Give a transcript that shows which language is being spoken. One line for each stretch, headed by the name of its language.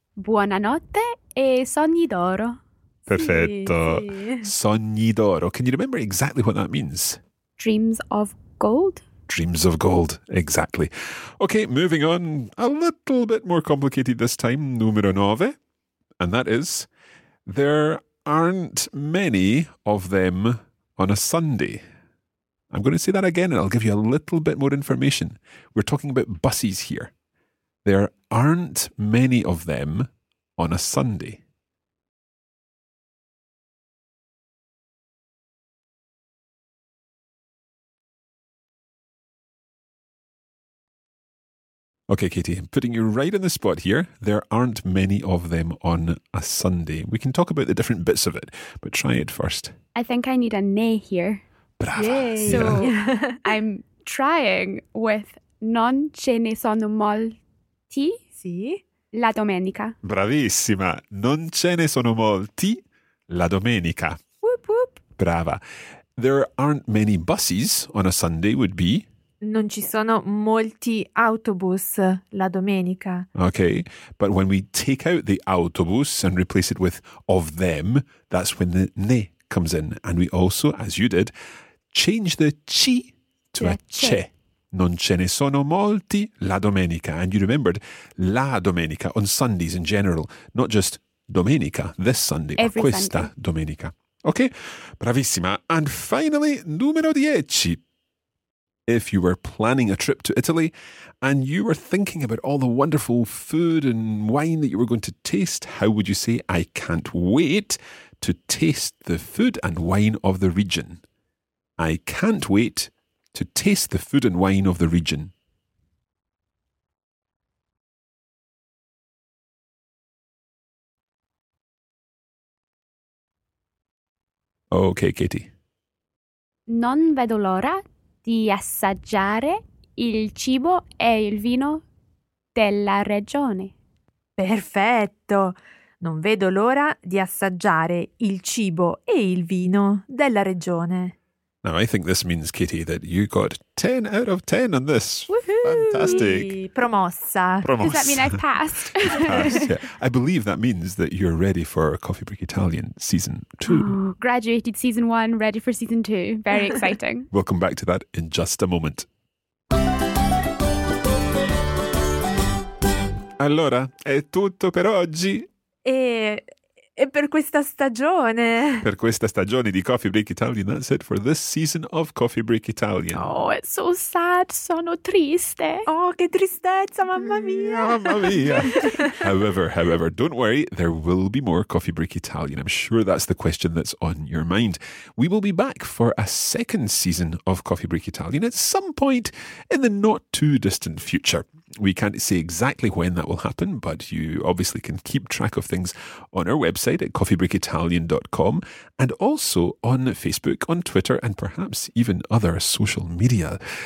Italian: Buonanotte e sogni d'oro. Perfetto. Sì. Sogni d'oro.
English: Can you remember exactly what that means? Dreams of gold. Dreams of gold, exactly. Okay, moving on, a little bit more complicated this time, numero 9. And that is, there aren't many of them on a Sunday. I'm going to say that again and I'll give you a little bit more information. We're talking about buses here. There aren't many of them on a Sunday. Okay, Katie, I'm putting you right on the spot here. There aren't many of them on a Sunday. We can talk about the different bits of it, but try it first. I think I need a ne here.
Italian: Brava. Yay.
English: So yeah. I'm trying with
Italian: non ce ne sono molti. Sì. La domenica. Bravissima. Non ce ne sono molti. La domenica.
English: Whoop, whoop.
Italian: Brava.
English: There aren't many buses on a Sunday would be...
Italian: Non ci sono molti autobus la domenica.
English: Okay, but when we take out the autobus and replace it with of them, that's when the ne comes in. And we also, as you did, change the ci to a ce.
Italian: Non ce ne sono molti la domenica.
English: And you remembered la domenica on Sundays in general, not just domenica, this Sunday, every
Italian: or questa
English: Sunday. Domenica. Okay, bravissima. And finally, numero 10. If you were planning a trip to Italy and you were thinking about all the wonderful food and wine that you were going to taste, how would you say, I can't wait to taste the food and wine of the region? I can't wait to taste the food and wine of the region. Okay, Katie.
Italian: Non vedo l'ora di assaggiare il cibo e il vino della regione. Perfetto! Non vedo l'ora di assaggiare il cibo e il vino della regione.
English: Now, I think this means, Kitty, that you got 10 out of 10 on this. Woohoo! Fantastic!
Italian: Promossa. Promossa!
English: Does that mean I passed? Passed, yeah. I believe that means that you're ready for Coffee Break Italian Season 2. Ooh, graduated Season 1, ready for Season 2. Very exciting. We'll come back to that in just a moment.
Italian: Allora, è tutto per oggi. E per questa stagione. Per questa stagione di Coffee Break Italian.
English: That's it for this season of Coffee Break Italian. Oh, it's so sad.
Italian: Sono triste. Oh, che tristezza, mamma mia.
English: Mamma mia. However, don't worry. There will be more Coffee Break Italian. I'm sure that's the question that's on your mind. We will be back for a second season of Coffee Break Italian at some point in the not too distant future. We can't say exactly when that will happen, but you obviously can keep track of things on our website at coffeebreakitalian.com and also on Facebook, on Twitter, and perhaps even other social media.